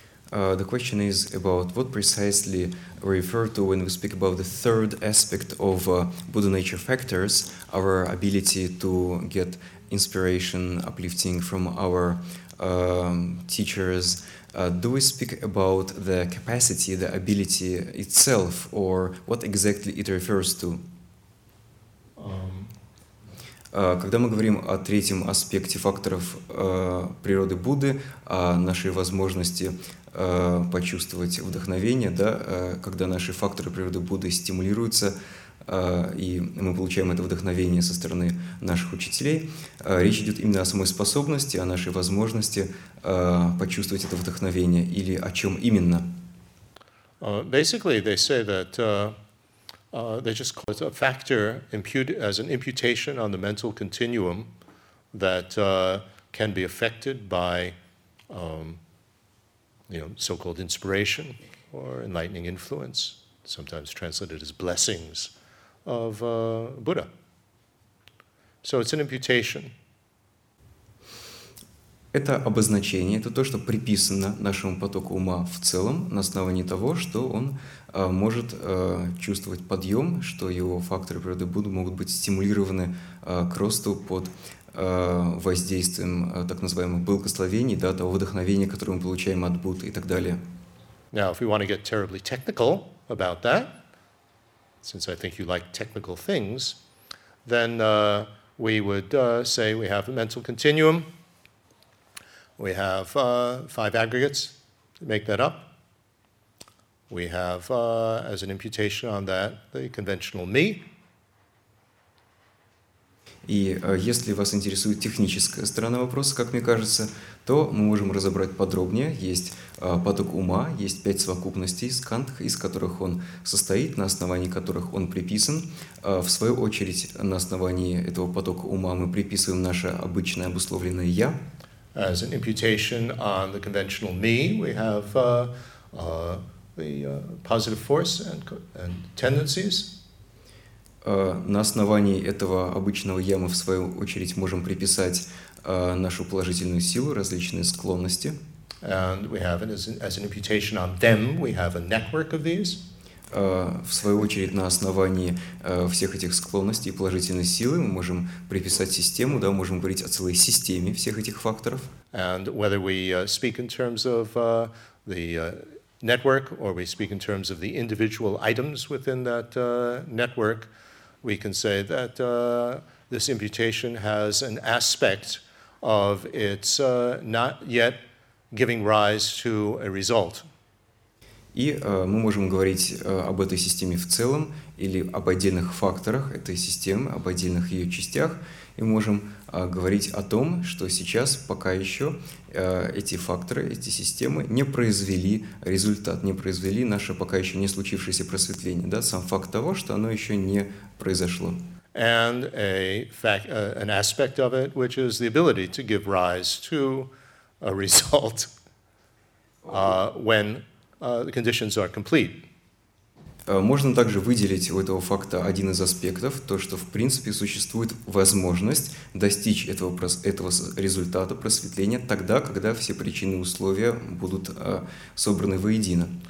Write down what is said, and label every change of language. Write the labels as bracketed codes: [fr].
[en] The question is about what precisely we refer to when we speak about the third aspect of Buddha nature factors, our ability to get inspiration, uplifting from our teachers. Do we speak about the capacity, the ability itself, or what exactly it refers to? [ru] Когда мы говорим о третьем аспекте факторов природы Будды, о нашей возможности почувствовать вдохновение, да, когда наши факторы природы Будды стимулируются, и мы получаем это вдохновение со стороны наших учителей, речь идет именно о самой способности, о нашей возможности почувствовать это вдохновение, или о чем именно? [en] Basically, they say that they just call it a factor as an imputation on the mental continuum that can be affected by you know, so-called inspiration or enlightening influence, sometimes translated as blessings of Buddha. So it's an imputation. [ru] Это обозначение, это то, что приписано нашему потоку ума в целом на основании того, что он может чувствовать подъем, что его факторы природы Будды могут быть стимулированы к росту под воздействием так называемых благословений, да, того вдохновения, которое мы получаем от Будды и так далее. [en] Now, if we want to get terribly technical about that, since I think you like technical things, then we would say we have a mental continuum. We have five aggregates to make that up. We have, as an imputation on that, the conventional me. [ru] И если вас интересует техническая сторона вопроса, как мне кажется, то мы можем разобрать подробнее. Есть поток ума, есть пять совокупностей из кантх, из которых он состоит, на основании которых он приписан. В свою очередь, на основании этого потока ума мы приписываем наше обычное обусловленное «я». [en] As an imputation on the conventional me, we have positive force and tendencies. [ru] На основании этого обычного я мы, в свою очередь, можем приписать нашу положительную силу, различные склонности. [en] And we have it as an imputation on them, we have a network of these. [ru] В свою очередь, на основании всех этих склонностей и положительной силы мы можем приписать систему, да, можем говорить о целой системе всех этих факторов. [en] And whether we speak in terms of the network or we speak in terms of the individual items within that network, we can say that this imputation has an aspect of its not yet giving rise to a result. [ru] И мы можем говорить об этой системе в целом или об отдельных факторах этой системы, об отдельных ее частях, и можем говорить о том, что сейчас пока еще эти факторы, эти системы не произвели результат, не произвели наше пока еще не случившееся просветление, да, сам факт того, что оно еще не произошло. [en] And an aspect of it, which is the ability to give rise to a result when the conditions are complete. [ru] Можно также выделить у этого факта один из аспектов, то, что в принципе существует возможность достичь этого результата, просветления, тогда, когда все причины и условия будут собраны воедино.